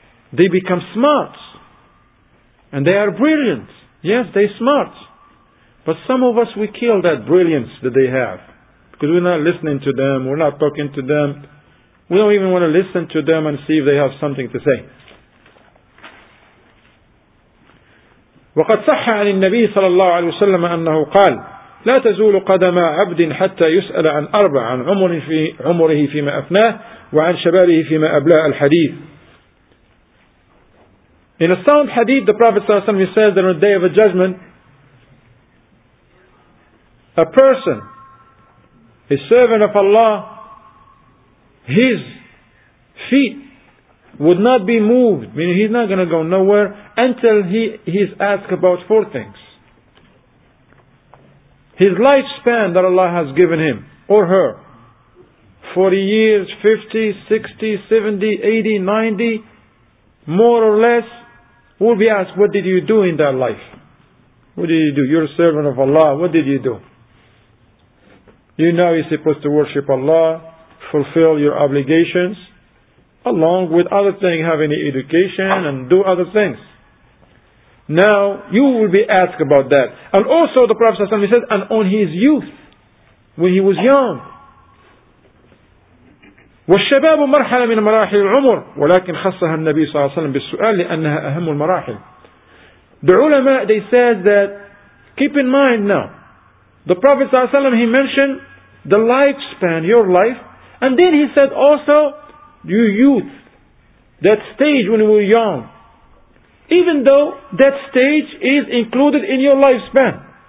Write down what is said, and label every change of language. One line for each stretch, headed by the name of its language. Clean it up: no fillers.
English: They become smart, and they are brilliant. Yes, they're smart. But some of us, we kill that brilliance that they have. Because we're not listening to them, we're not talking to them. We don't even want to listen to them and see if they have something to say.
Arabic: وقد صح عن النبي صلى الله عليه وسلم أنه قال لا تزول قدم عبد حتى يسأل عن أربع عن عمره فيما أفناه وعن شبابه فيما أبلاه الحديث.
English: In a sound hadith, the Prophet
Arabic: صلى الله عليه وسلم
English: says that on the day of the judgment, a person, a servant of Allah, his feet would not be moved, meaning he's not going to go nowhere until he's asked about four things. His lifespan that Allah has given him or her, 40 years, 50, 60, 70, 80, 90, more or less, will be asked, what did you do in that life? What did you do? You're a servant of Allah, what did you do? You know you're supposed to worship Allah, fulfill your obligations, along with other things, have any education and do other things. Now, you will be asked about that. And also the Prophet ﷺ said, and on his youth, when he was young.
Arabic: والشباب مرحلة من مراحل العمر ولكن خصها النبي صلى الله عليه وسلم بالسؤال لأنها أهم المراحل.
English: The ulama, they said that, keep in mind now, the Prophet
Arabic: صلى الله عليه وسلم,
English: he mentioned the lifespan, your life, and then he said also your youth, that stage when you were young, even though that stage is included in your lifespan.